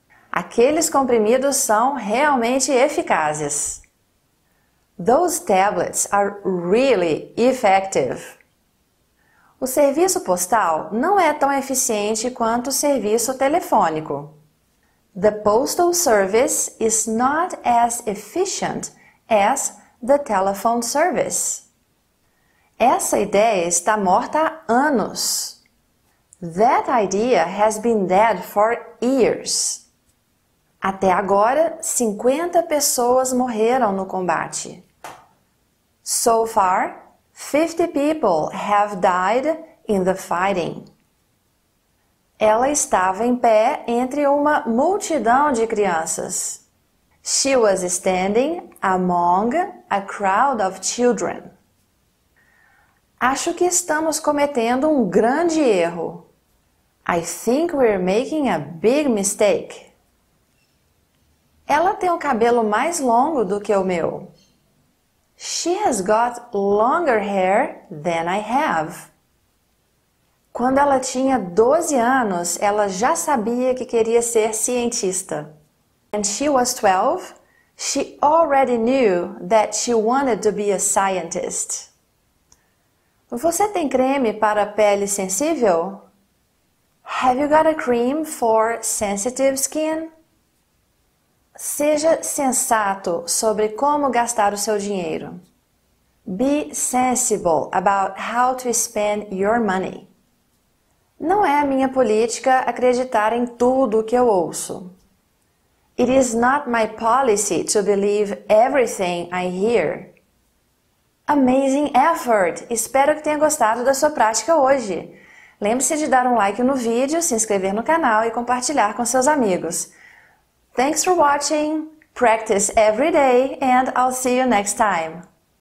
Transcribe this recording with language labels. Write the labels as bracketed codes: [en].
[pt] Aqueles comprimidos são realmente eficazes. [en] Those tablets are really effective. [pt] O serviço postal não é tão eficiente quanto o serviço telefônico. [en] The postal service is not as efficient as the telephone service. [pt] Essa ideia está morta há anos. [en] That idea has been dead for years. [pt] Até agora, 50 pessoas morreram no combate. [en] So far, 50 people have died in the fighting. [pt] Ela estava em pé entre uma multidão de crianças. [en] She was standing among a crowd of children. [pt] Acho que estamos cometendo um grande erro. [en] I think we're making a big mistake. [pt] Ela tem o cabelo mais longo do que o meu. [en] She has got longer hair than I have. [pt] Quando ela tinha 12 anos, ela já sabia que queria ser cientista. [en] When she was 12, she already knew that she wanted to be a scientist. [pt] Você tem creme para pele sensível? [en] Have you got a cream for sensitive skin? [pt] Seja sensato sobre como gastar o seu dinheiro. [en] Be sensible about how to spend your money. [pt] Não é a minha política acreditar em tudo o que eu ouço. [en] It is not my policy to believe everything I hear. Amazing effort! [pt] Espero que tenha gostado da sua prática hoje. Lembre-se de dar um like no vídeo, se inscrever no canal e compartilhar com seus amigos. [en] Thanks for watching, practice every day, and I'll see you next time.